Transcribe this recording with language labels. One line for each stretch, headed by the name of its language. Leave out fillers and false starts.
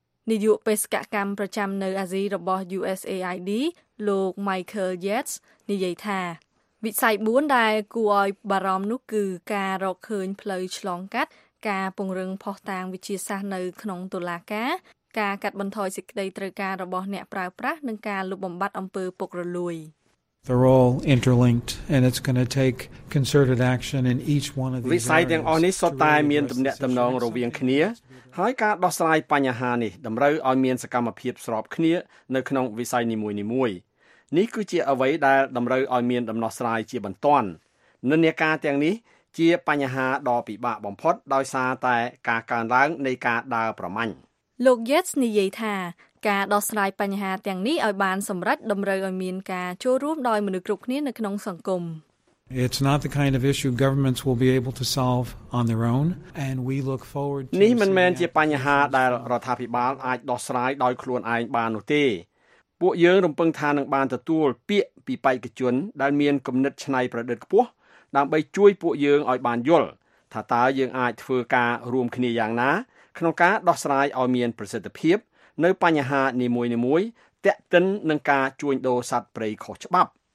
Khmer: នាយកបេសកកម្មប្រចាំនៅអាស៊ីរបស់ USAID លោក Michael Yates និយាយថាវិស័យ4ដែលគួរឲ្យបារម្ភនោះគឺការរកឃើញផ្លូវឆ្លងកាត់ការពង្រឹងភស្តុតាងវិទ្យាសាស្ត្រនៅក្នុងតុលាការការកាត់បន្ថយសេចក្តីត្រូវការរបស់អ្នកប្រើប្រាស់និងការលុបបំបាត់អំពើពុករលួយ
English: They're all interlinked and it's going to take concerted action in each one of these
Khmer: វិស័យទាំងអស់នេះសុទ្ធតែមានទំនាក់ទំនងរវាងគ្នាហើយការដោះស្រាយបញ្ហានេះតម្រូវឲ្យមានសកម្មភាពស្របគ្នានៅក្នុងវិស័យនីមួយនីមួយនេះគឺជាអ្វីដែលតម្រូវឲ្យមានដំណោះស្រាយជាបន្ទាន់និន្នាការទាំងនេះជាបញ្ហាដ៏ពិបាកបំផុតដោយសារតែការកើនឡើងនៃការដើរប្រម៉ាញ់លោក Yates និយាយថាការដោះស្រាយបញ្ហាទាំងនេះឲ្យបានសម្រេចតម្រូវឲ្យមានការចូលរួមដោយមនុស្សគ្រប់គ្នានៅក្នុងសង្គម
English: It's not the kind of issue governments will be able to solve on their own and we look forward to
Khmer: នេះមិនមែនជាបញ្ហាដែលរដ្ឋាភិបាលអាចដោះស្រាយដោយខ្លួនឯងបាននោះទេពួកយើងរំពឹងថានឹងបានទទួលពាក្យពីបេក្ខជនដែលមានគំនិតច្នៃប្រឌិតខ្ពស់ដើម្បីជួយពួកយើងឲ្យបានយល់ថាតើយើងអាចធ្វើការរួមគ្នាយ៉ាងណាក្នុងការដោះស្រាយឲ្យមានប្រសិទ្ធភាពនៅបញ្ហានីមួយៗទាក់ទិននឹងការជួញដូរសត្វព្រៃខុសច្បាប់